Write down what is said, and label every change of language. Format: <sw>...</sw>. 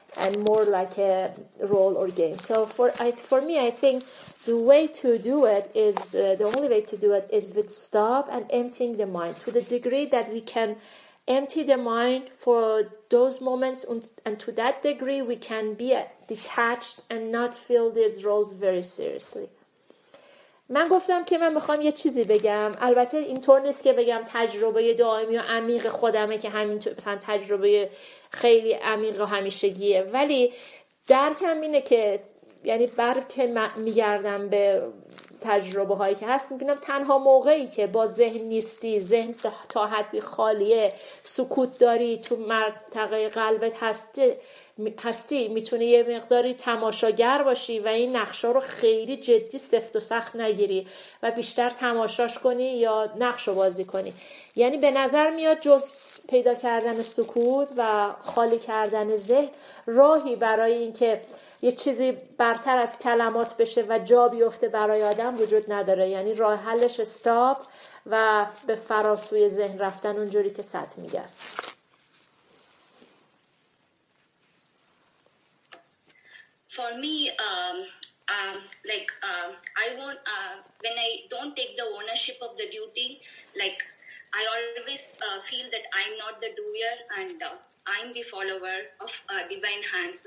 <en>and more like a role or game. So for me, I think the way to do it is, the only way to do it is with stop and emptying the mind to the degree that we can empty the mind for those moments, and to that degree we can be detached and not feel these roles very seriously.</en> <fa>من گفتم که من میخوام یه چیزی بگم. البته اینطور نیست که بگم تجربه دائمی و عمیق خودمه که همینطور مثلا تجربه خیلی عمیق و همیشگیه. ولی درکم اینه که یعنی بر که میگردم به تجربه هایی که هست میبینم تنها موقعی که با ذهن نیستی، ذهن تا حدی خالیه، سکوت داری، تو منطقه قلبت هستی میتونی یه مقداری تماشاگر باشی و این نقشا رو خیلی جدی سفت و سخت نگیری و بیشتر تماشاش کنی یا نقشو بازی کنی. یعنی به نظر میاد جز پیدا کردن سکوت و خالی کردن ذهن راهی برای اینکه یه چیزی برتر از کلمات بشه و جا بیفته برای آدم وجود نداره. یعنی راه حلش استاپ و به فراسوی ذهن رفتن اونجوری که سطح میگه است.</fa> <en>For me, I won't, when I don't take the ownership of the duty, like, I always feel that I'm not the doer and I'm the follower of divine hands.</en>